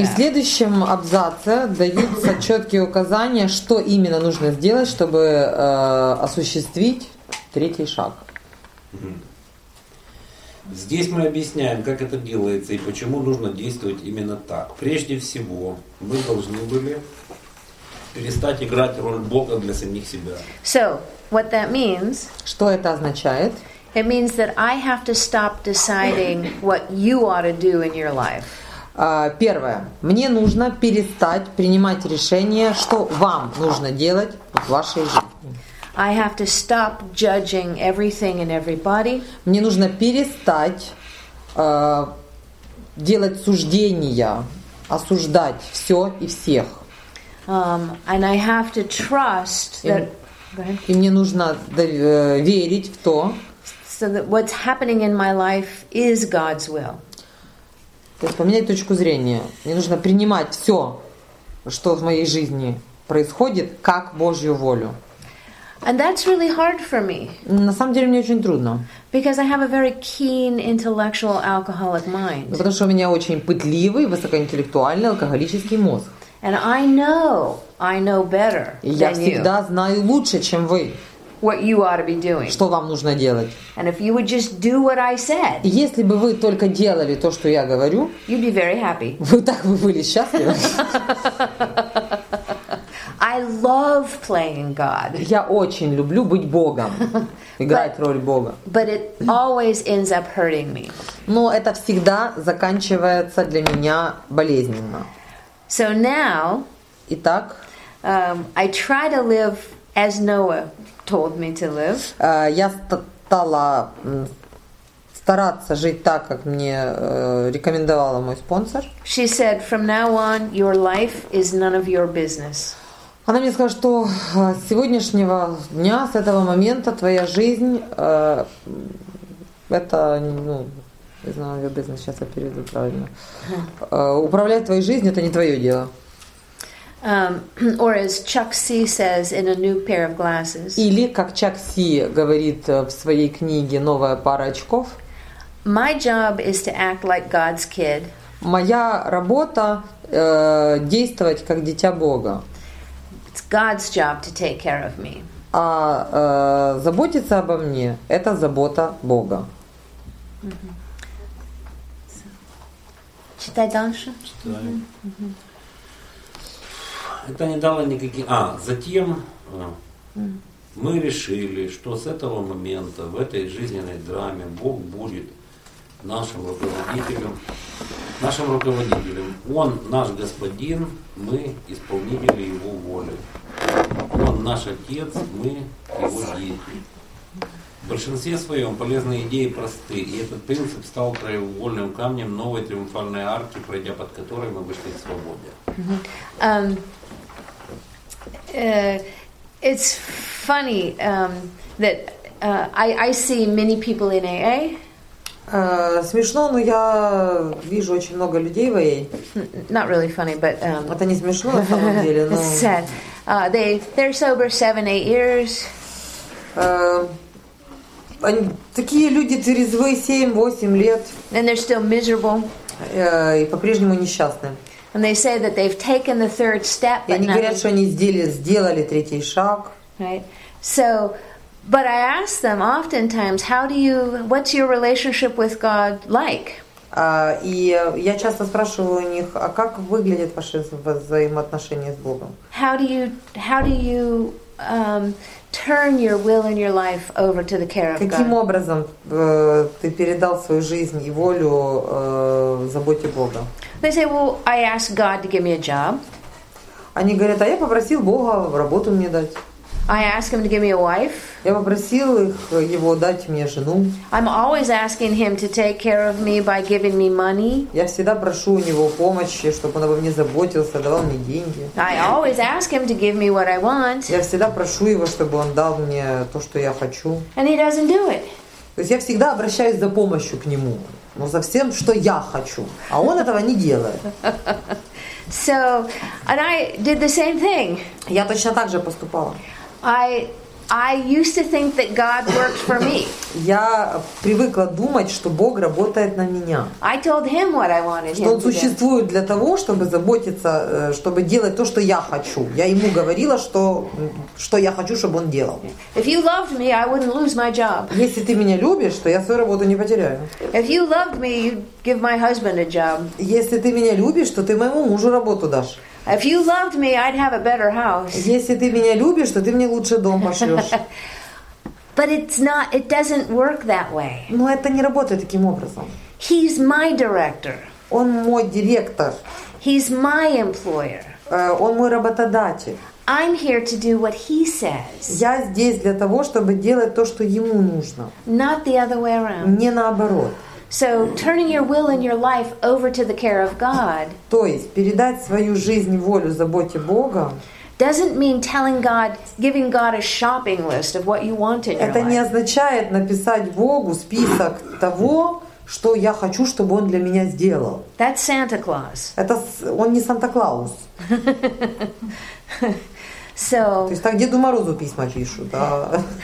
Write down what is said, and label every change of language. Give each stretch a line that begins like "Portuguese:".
Russian: И в следующем абзаце даются четкие указания, что именно нужно сделать, чтобы осуществить третий шаг. Здесь мы объясняем, как это делается и почему нужно действовать именно так. Прежде всего, мы должны были перестать играть роль Бога для самих себя.
English: So, what that means?
Russian: Что это означает?
English: It means that I have to stop deciding what you ought to do in your life.
Russian: Первое. Мне нужно перестать принимать решение, что вам нужно делать в вашей жизни.
English: I have to stop judging everything and everybody.
Russian: Мне нужно перестать делать суждения, осуждать все и всех.
English: And I have to trust that.
Russian: И мне нужно верить в то.
English: So that what's happening in my life is God's will.
Russian: То есть поменять точку зрения. Мне нужно принимать все, что в моей жизни происходит, как Божью волю.
English: And that's really hard for me.
Russian: На самом деле мне очень трудно.
English: Because I have a very keen intellectual alcoholic mind.
Russian: Потому что у меня очень пытливый, высокоинтеллектуальный алкоголический мозг.
English: And I know better than you.
Russian: Я всегда знаю лучше, чем вы.
English: What you ought to be doing.
Russian: Что вам нужно делать?
English: And if you would just do what I said.
Russian: Если бы вы только делали то, что я говорю.
English: You'd be very happy.
Russian: Вы так бы были счастливы.
English: I love playing God.
Russian: Я очень люблю быть Богом. Играть роль Бога.
English: But it always ends up hurting me.
Russian: Но это всегда заканчивается для меня болезненно.
English: So now.
Russian: Итак.
English: I try to live as Noah told me to live.
Russian: Я стала стараться жить так, как мне рекомендовала мой спонсор.
English: She said, "From now on, your life is none of your business."
Russian: Она мне сказала, что с сегодняшнего дня, с этого момента, твоя жизнь это, ну, не знаю, ее бизнес, сейчас я переведу правильно. Управлять твоей жизнью — это не твое дело.
English: Or as Chuck C says in a new pair of glasses.
Russian: Или как Chuck C говорит в своей книге «Новая пара очков».
English: My job is to act like God's kid.
Russian: Моя работа действовать как дитя Бога.
English: It's God's job to take care of me.
Russian: А заботиться обо мне — это забота Бога. Читай дальше. Это не дало никаких... Затем мы решили, что с этого момента в этой жизненной драме Бог будет нашим руководителем. Он наш Господин, мы исполнители Его воли. Он наш Отец, мы Его дети. В большинстве своем полезные идеи просты, и этот принцип стал краеугольным камнем новой триумфальной арки, пройдя под которой мы вышли к свободе.
English: It's funny that I see many people in AA.
Russian: Смешно, но я вижу очень много людей в AA.
English: Not really funny, but
Russian: это не смешно на самом деле, но
English: sad. They're sober 7-8 years.
Russian: Они такие люди трезвые 7-8 лет.
English: And they're still miserable.
Russian: И по-прежнему несчастны.
English: And they say that they've taken the third step.
Russian: И они говорят, что они сделали третий шаг.
English: Right. So, but I ask them oftentimes, what's your relationship with God like?
Russian: И я часто спрашиваю у них, а как выглядят ваши взаимоотношения с Богом?
English: How do you turn your will and your life over to the care of God?
Russian: Каким образом ты передал свою жизнь и волю заботе Бога?
English: They say, well, I asked God to give me a job.
Russian: Они говорят, а я попросил Бога работу мне дать.
English: I asked him to give me a wife.
Russian: Я попросил его дать мне жену.
English: I'm always asking him to take care of me by giving me money.
Russian: Я всегда прошу у него помощи, чтобы он обо мне заботился, давал мне деньги.
English: I always ask him to give me what I want.
Russian: Я всегда прошу его, чтобы он дал мне то, что я хочу.
English: And he doesn't do it.
Russian: То есть я всегда обращаюсь за помощью к нему. Но за всем, что я хочу. А он этого не делает.
English: So, and I did the same thing.
Russian: Я точно так же поступала.
English: I used to think that God worked for me.
Russian: Я привыкла думать, что Бог работает на меня.
English: I told him what I wanted him to do.
Russian: Что он существует для того, чтобы заботиться, чтобы делать то, что я хочу. Я ему говорила, что я хочу, чтобы он делал.
English: If you loved me, I wouldn't lose my job.
Russian: Если ты меня любишь, то я свою работу не потеряю.
English: If you loved me, you'd give my husband a job.
Russian: Если ты меня любишь, то ты моему мужу работу дашь.
English: If you loved me, I'd have a better house.
Russian: Если ты меня любишь, то ты мне лучший дом пошлёшь.
English: But it's not, it doesn't work that way.
Russian: Но это не работает таким образом.
English: He's my director.
Russian: Он мой директор.
English: He's my employer.
Russian: Он мой работодатель.
English: I'm here to do what he says.
Russian: Я здесь для того, чтобы делать то, что ему нужно.
English: Not the other way around.
Russian: Не наоборот.
English: So turning your will and your life over to the care of God.
Russian: То есть передать свою жизнь, волю, заботе Бога.
English: Doesn't mean telling God, giving God a shopping list of what you want in your life.
Russian: Это не означает написать Богу список того, что я хочу, чтобы он для меня сделал.
English: That's Santa Claus.
Russian: Это он не Санта-Клаус.
English: So.
Russian: То есть так Деду Морозу письма пишут, да?